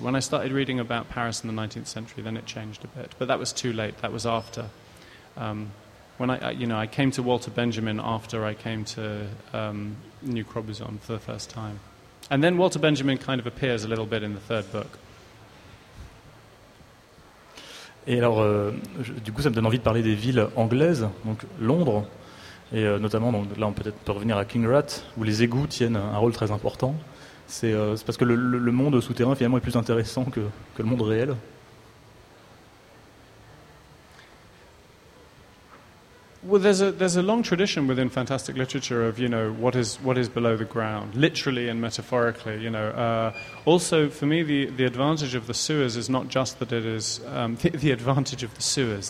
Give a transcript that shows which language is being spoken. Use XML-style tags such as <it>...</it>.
<en>When I started reading about Paris in the 19th century, then it changed a bit. But that was too late. That was after. When I came to Walter Benjamin after I came to New Crobuzon for the first time. And then Walter Benjamin kind of appears a little bit in the third book.</en> <fr>Et alors, du coup, ça me donne envie de parler des villes anglaises, donc Londres, et notamment, donc, là, on peut peut-être revenir à Kinghrat, où les égouts tiennent un rôle très important. C'est parce que le monde souterrain, finalement, est plus intéressant que le monde réel.</fr> <en>Well, there's a long tradition within fantastic literature of, you know, what is below the ground, literally and metaphorically. You know, also for me, the advantage of the sewers is not just that it is the advantage of the sewers.</en>